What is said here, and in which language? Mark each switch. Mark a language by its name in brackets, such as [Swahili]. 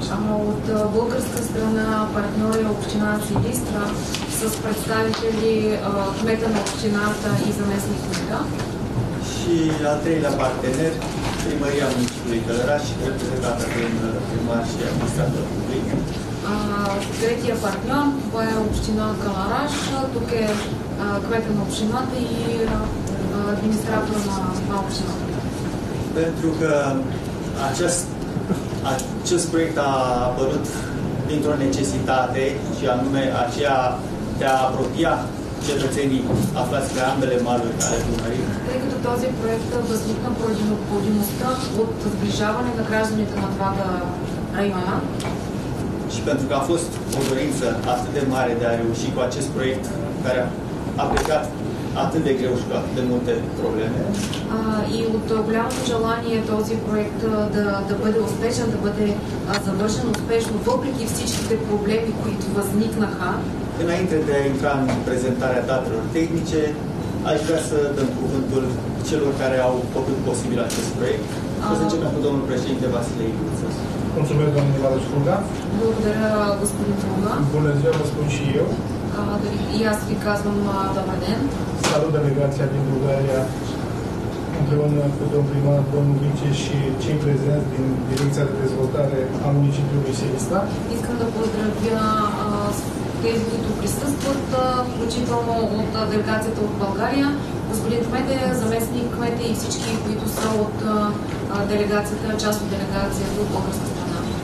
[Romanian] Am avut bulgărscă strână partenerii Opcina Silistra, sunt predstavitelii Cmetan Opcinată și zamestnicul. Și al treilea partener, primăria municipiului Călăraș, reprezentată prin primar și administrator public. [Bulgarian] Третия партньор, това е община Călăraș, тук е кметът на общината и администратор на общината. [Romanian] Pentru că acest proiect a apărut dintr-o necesitate, și anume aceea de a apropia cetățenii aflați pe ambele maluri ale Dunării. [Bulgarian] Тъй като този проект възникна поради необходимостта от сближаване на гражданите на двата района. [Romanian] Și pentru că a fost o dorință atât de mare de a reuși cu acest proiect care a plecat atât de greu și cu atât de multe probleme. [Bulgarian] И от голямо желание този проект да бъде успешен, да бъде завършен успешно, въпреки всичките проблеми, които възникнаха. [Romanian] Înainte de a intra în prezentarea datelor tehnice, aș vrea să dăm cuvântul celor care au făcut posibil acest proiect. O să începem cu domnul președinte Vasile Iguță. Mulțumesc, domnule Vlad Sfunga. [Bulgarian] Благодаря, господин Фунга. [Romanian] Bună ziua, vă spun și eu. [Bulgarian] И аз ви казвам добър ден. [Romanian] Salut delegația din Bulgaria, împreună cu domnul primar, domnul vice și cei prezenți din Direcția de Dezvoltare a municipiului Silistra. [Bulgarian] Искам да поздравя тези, които присъстват, включително от делегацията от България, господин кмете, заместник кмете и всички, които са от делегацията, част от делегацията от българската страна.